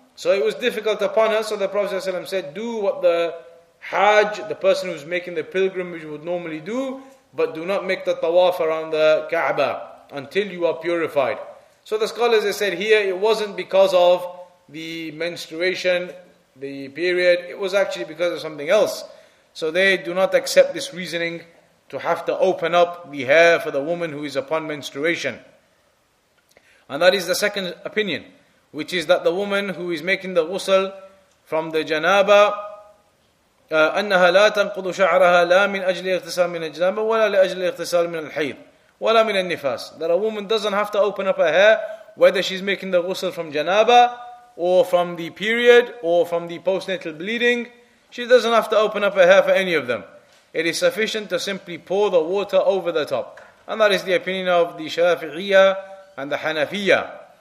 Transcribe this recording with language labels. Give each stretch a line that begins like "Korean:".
English: So it was difficult upon her, so the Prophet ﷺ said, do what the Hajj, the person who's making the pilgrimage, would normally do, but do not make the tawaf around the Kaaba until you are purified. So the scholars, they said here, it wasn't because of the menstruation, the period, it was actually because of something else. So they do not accept this reasoning to have to open up the hair for the woman who is upon menstruation. And that is the second opinion, which is that the woman who is making the ghusl from the janaba,
Arabic: أنها لا تنقض شعرها لا من أجل اغتسال من الجنابة ولا لأجل اغتسال من الحيض ولا من النفاس.
English: That a woman doesn't have to open up her hair, whether she's making the ghusl from janaba, or from the period, or from the postnatal bleeding. She doesn't have to open up her hair for any of them. It is sufficient to simply pour the water over the top. And that is the opinion of the Shafi'iyya and the Hanafiya.